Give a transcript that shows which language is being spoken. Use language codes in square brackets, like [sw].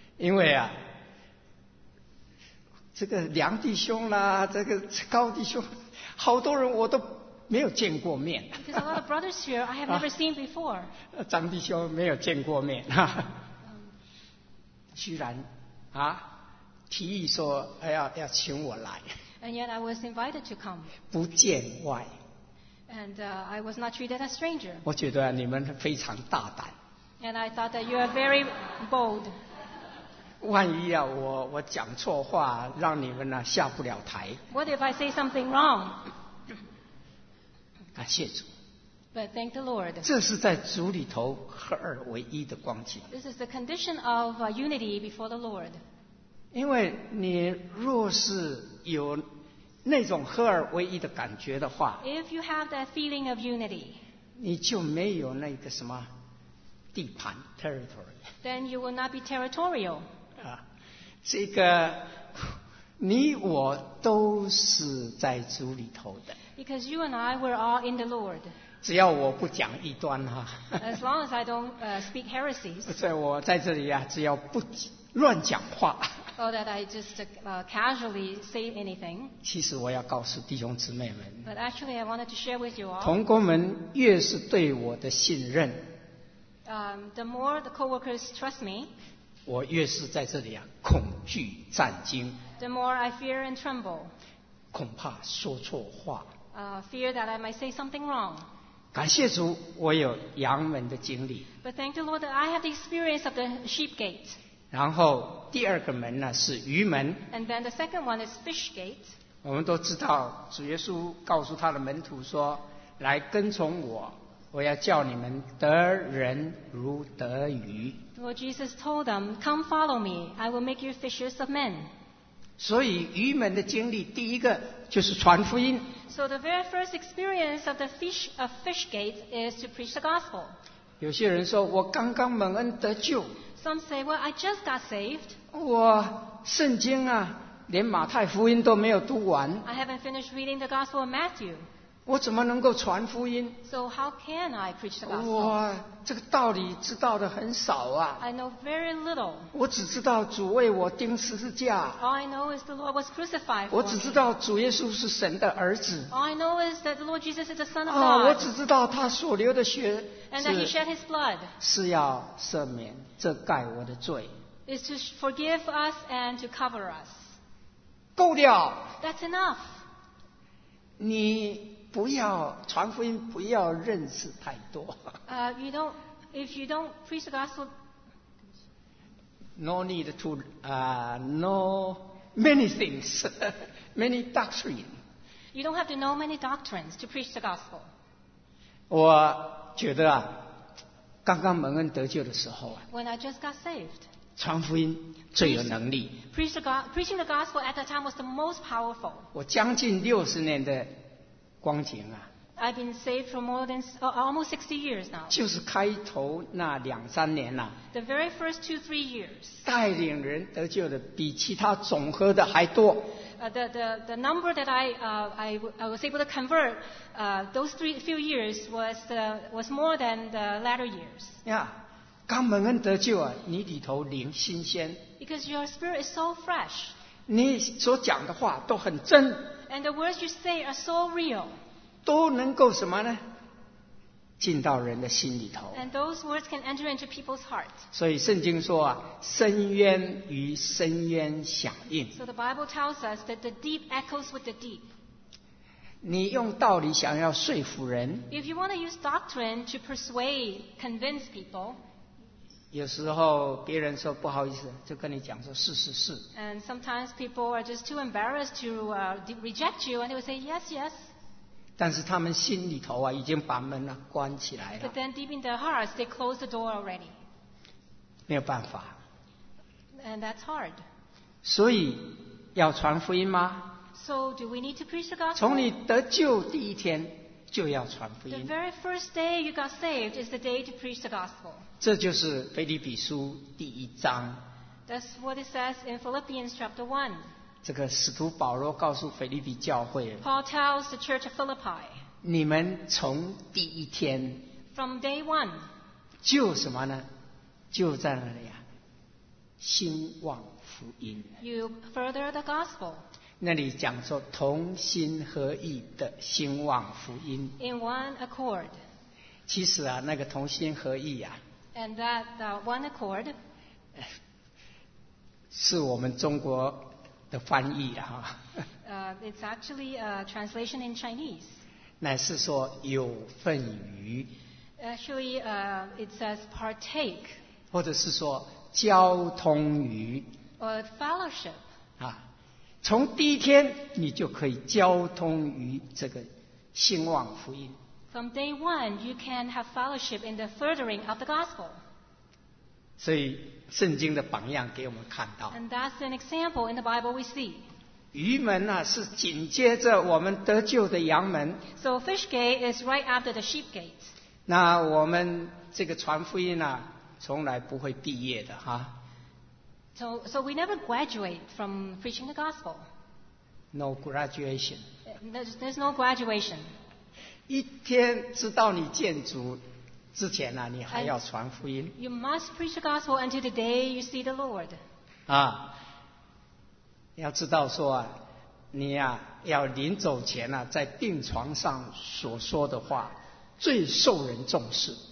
[zh] 因为啊，这个梁弟兄啦，这个高弟兄，好多人我都。没有见过面。 [en] Because a lot of brothers here I have never seen before. [zh] 张弟兄没有见过面。居然啊，提议说要请我来。 [en] And yet I was invited to come. [zh] 不见外。 [en] And I was not treated as a stranger. [zh] 我觉得你们非常大胆。 [en] And I thought that you are very bold. [zh] 万一啊，我讲错话，让你们呢下不了台。 [en] What if I say something wrong? [zh] 感谢主。 [en] But thank the Lord. [zh] 这是在主里头合而为一的光景。 [en] This is the condition of unity before the Lord. [zh] 因为你若是有那种合而为一的感觉的话 [en] ，If you have that feeling of unity, [zh] 你就没有那个什么地盘 territory. [en] Then you will not be territorial. [zh] 啊，这个。你我都是在主里头的。 [en] Because you and I were all in the Lord. [zh] 只要我不讲异端哈。 [en] As long as I don't speak heresies. [zh] 在我在这里啊，只要不乱讲话。 [en] Oh, that I just casually say anything. [zh] 其实我要告诉弟兄姊妹们。 [en] But actually, I wanted to share with you all. [zh] 同工们越是对我的信任。 [en] the more the coworkers trust me, [zh] 我越是在这里啊，恐惧战惊。 [en] The more I fear and tremble, [zh] 恐怕说错话。 [en] Fear that I might say something wrong. [zh] 感谢主，我有羊门的经历。 [en] But thank the Lord that I have the experience of the sheep gate. [zh] 然后第二个门呢是鱼门。 [en] And then the second one is fish gate. [zh] 我们都知道，主耶稣告诉他的门徒说：“来跟从我。” 我要叫你们得人如得鱼。 [en] Lord Jesus told them, "Come follow me. I will make you fishers of men." [zh] 所以鱼门的经历，第一个就是传福音。 [en] So the very first experience of the fish of fish gate is to preach the gospel. [zh] 有些人说我刚刚蒙恩得救。 [en] Some say, "Well, I just got saved." [zh] 我圣经啊，连马太福音都没有读完。 [en] I haven't finished reading the gospel of Matthew. [zh] 我怎么能够传福音？ [en] So how can I preach the gospel? [zh] 哇，这个道理知道的很少啊。 [en] I know very little. [zh] 我只知道主为我钉十字架。 [en] All I know is the Lord was crucified for me. [zh] 我只知道主耶稣是神的儿子。 [en] All I know is that the Lord Jesus is the Son of God. [zh] 啊，我只知道他所流的血是。 [en] And that he shed his blood. [zh] 是要赦免遮盖我的罪。 [en] Is to forgive us and to cover us. [zh] 够了。 [en] That's enough. [zh] 你不要传福音，不要认识太多。 [en] If you don't preach the gospel, no need to know many things, many doctrine. You don't have to know many doctrines to preach the gospel. [zh] 我觉得啊，刚刚蒙恩得救的时候啊 [en] ，When I just got saved, [zh] 传福音最有能力。 [en] Preaching the gospel at that time was the most powerful. [zh] 我将近六十年的。光景啊 [en] I've been saved for more than almost 60 years now. [zh] 就是开头那两三年啊 [en] The very first two, three years. [zh] 带领人得救的比其他总和的还多。 [en] The number that I was able to convert, those three few years was more than the latter years. [zh] Yeah, 刚蒙恩得救啊，你里头灵新鲜。 [en] Because your spirit is so fresh. [zh] 你所讲的话都很真。 [en] And the words you say are so real. [zh] 都能够什么呢？进到人的心里头。 [en] And those words can enter into people's heart. [zh] 所以圣经说啊，深渊与深渊响应。 [en] So the Bible tells us that the deep echoes with the deep. [zh] 你用道理想要说服人。 [en] If you want to use doctrine to persuade, convince people. [zh] 有时候别人说不好意思，就跟你讲说是是是。 [en] And sometimes people are just too embarrassed to reject you, and they will say yes, yes. [zh] 但是他们心里头啊，已经把门啊关起来了。 [en] But then deep in their hearts, they close the door already. [zh] 没有办法。 [en] And that's hard. [zh] 所以要传福音吗 [en] ？So do we need to preach the gospel? [zh] 从你得救第一天就要传福音。 [en] The very first day you got saved is the day to preach the gospel. [zh] 这就是腓立比书第一章。 [en] That's what it says in Philippians chapter 1. [zh] 这个使徒保罗告诉腓立比教会。 [en] Paul tells the church of Philippi. [zh] 你们从第一天。 [en] From day one. [zh] 就什么呢？就在那里啊，兴旺福音。 [en] You further the gospel. [zh] 那里讲说同心合意的兴旺福音。 [en] In one accord. [zh] 其实啊，那个同心合意啊。 [en] And that one accord [zh] 是我们中国的翻译啊。 [en] It's actually a translation in Chinese. [zh] 乃是说有份于。 [en] Actually, it says partake. [zh] 或者是说交通于。 [en] Or fellowship. [zh] 啊，从第一天你就可以交通于这个兴旺福音。 [en] From day one, you can have fellowship in the furthering of the gospel. [zh] 所以圣经的榜样给我们看到。 [en] And that's an example in the Bible we see. [zh] 鱼门啊，是紧接着我们得救的羊门。 [en] So fish gate is right after the sheep gate. [zh] 那我们这个传福音啊，从来不会毕业的哈。 [en] So we never graduate from preaching the gospel. No graduation. There's no graduation. [zh] 一天知道你见主之前呢、啊，你还要传福音。 You must preach the gospel until the day you see the Lord. 啊，要知道说啊，你啊要临走前呢、啊，在病床上所说的话最受人重视。